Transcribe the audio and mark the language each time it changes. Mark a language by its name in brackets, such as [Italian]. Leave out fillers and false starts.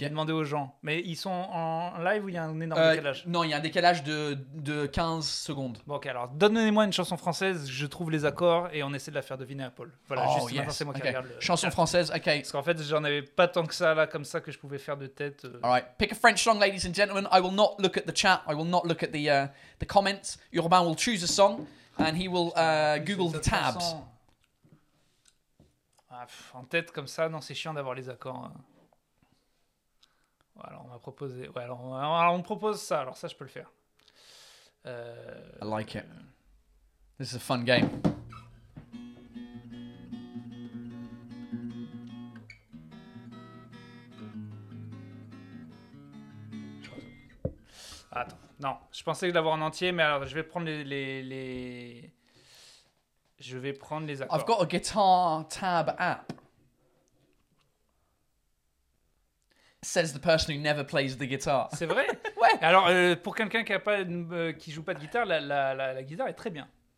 [French] J'ai demandé aux gens, mais ils sont en live ou il y a un énorme décalage? Non, il y a un décalage de 15 secondes. Bon, ok, alors donnez-moi une chanson française, je trouve les accords et on essaie de la faire deviner à Paul. Voilà, oh, juste yes. Maintenant c'est moi [English] okay. [French] Qui regarde le... Chanson française, ok. Parce qu'en fait j'en avais pas tant que ça là, comme ça, que je pouvais faire de tête. [English] Alright, pick a French song, ladies and gentlemen. I will not look at the chat, I will not look at the comments. Urbain will choose a song and he will google the tabs. [French] En tête comme ça, non, c'est chiant d'avoir les accords. Alors, on m'a proposé. Ouais, alors, on propose ça. Alors, ça, je peux le faire. [English] I like it. This is a fun game. [French] Attends. Non, je pensais l'avoir en entier, mais alors, je vais prendre Je vais prendre les accords. [English] I've got a guitar tab app. Says the person who never plays the guitar. [French] C'est vrai? Ouais. Alors, pour quelqu'un qui a pas, qui joue pas de guitare, la guitare est très bien.